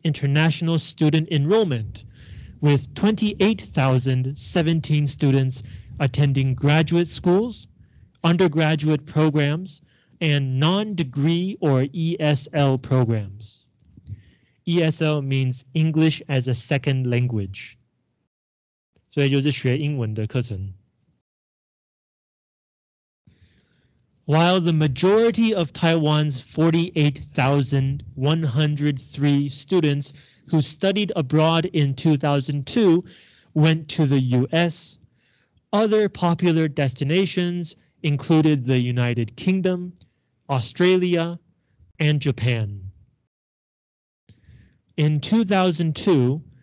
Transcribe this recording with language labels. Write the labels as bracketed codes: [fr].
[en] international student enrollment, with 28,017 students attending graduate schools, undergraduate programs, and non-degree or ESL programs. ESL means English as a second language. [zh] 所以就是学英文的课程。 [en] While the majority of Taiwan's 48,103 students who studied abroad in 2002 went to the US, other popular destinations included the United Kingdom, Australia, and Japan. In 2002,